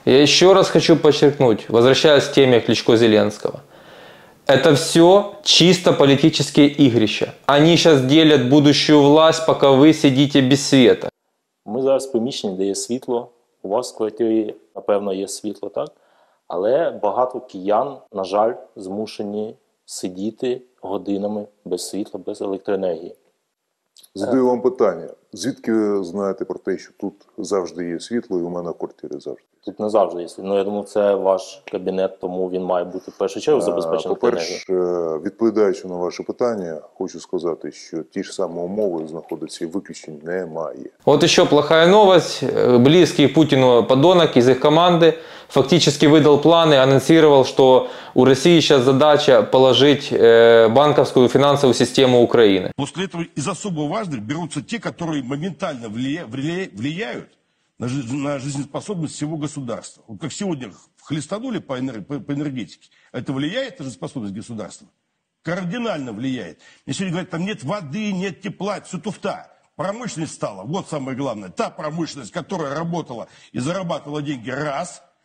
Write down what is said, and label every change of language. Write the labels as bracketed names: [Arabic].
[Russian] Я еще раз хочу подчеркнуть, возвращаясь к теме Кличко-Зеленского. Это все чисто политические игрища. Они сейчас делят будущую власть, пока вы сидите без света. Мы сейчас в помещении, где есть светло. У вас в квартире, напевно, есть светло, так? [Ukrainian] Але багато киян, на жаль, змушені сидіти годинами без світла, без електроенергії. Задаю вам питання. Звідки ви знаєте про те, що тут завжди є світло і у мене в квартирі завжди? Тут не завжди є світло. Ну, я думаю, це ваш кабінет, тому він має бути в першу чергу забезпечений. По-перше, відповідаючи на ваше питання, хочу сказати, що ті ж самі умови знаходяться і виключень немає. От ще [Russian] плоха новость. [Ukrainian] Близький Путіну подонок із їх команди фактично видав плани, анонсував, що у Росії зараз задача положити банківську фінансову систему України. Після цього із особо важливих беруться ті, які моментально впливають на [Russian] жизнеспособность всего государства. Вот как сегодня хлестанули по энергетике, это влияет на жизнеспособность государства? Кардинально влияет. Мне сегодня говорят, там нет воды, нет тепла, все туфта. Промышленность стала, вот самое главное. Та промышленность, которая работала и зарабатывала деньги, раз.